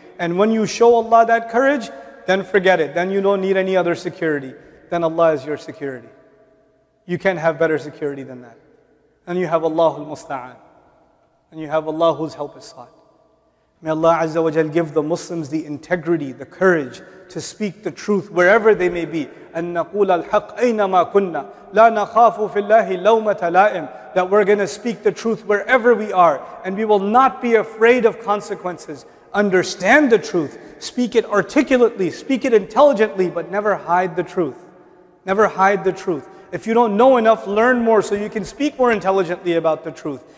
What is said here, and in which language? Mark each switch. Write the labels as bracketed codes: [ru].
[en] And when you show Allah that courage, then forget it. Then you don't need any other security. Then Allah is your security. You can't have better security than that. And you have Allah al-Musta'an. And you have Allah whose help is sought. May Allah Azza wa Jal give the Muslims the integrity, the courage to speak the truth wherever they may be. [ar] And نقول الحق أينما كنا لا نخاف في الله لومة لائم. [en] That we're going to speak the truth wherever we are, and we will not be afraid of consequences. Understand the truth, speak it articulately, speak it intelligently, but never hide the truth. Never hide the truth. If you don't know enough, learn more so you can speak more intelligently about the truth.